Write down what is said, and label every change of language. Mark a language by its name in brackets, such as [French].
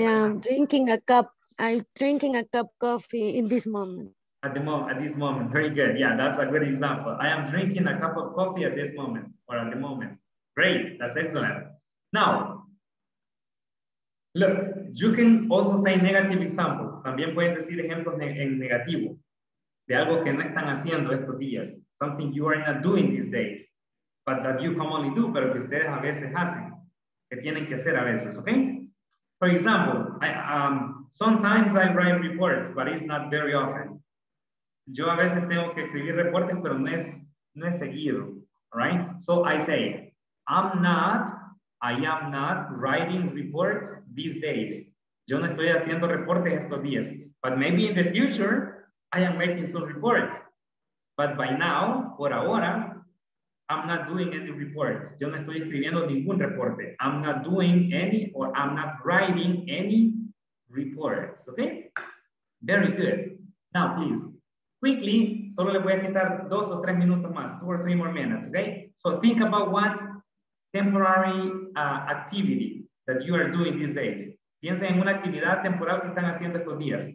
[English] I'm drinking a cup of coffee in this moment. At this moment. Very good. Yeah, that's a good example. I am drinking a cup of coffee at this moment. Or at the moment. Great, that's excellent. Now, look, you can also say negative examples. [Spanish] También pueden decir ejemplos en negativo de algo que no están haciendo estos días. [English] Something you are not doing these days, but that you commonly do, [Spanish] pero que ustedes a veces hacen, que tienen que hacer a veces, [English] okay? For example, sometimes I write reports, but it's not very often. [Spanish] Yo a veces tengo que escribir reportes, pero no es seguido, right? [English] So I say, I am not writing reports these days. [Spanish] Yo no estoy haciendo reportes estos días. [English] But maybe in the future, I am making some reports. But by now, [Spanish] por ahora, [English] I'm not doing any reports. [Spanish] Yo no estoy escribiendo ningún reporte. [English] I'm not doing any or I'm not writing any reports. Okay? Very good. Now, please. [Spanish] Quickly, solo le voy a quitar 2 o 3 minutos más. [English] 2 or 3 more minutes. Okay? So think about one temporary activity that you are doing these days. [Spanish] Piensen en una actividad temporal que están haciendo estos días.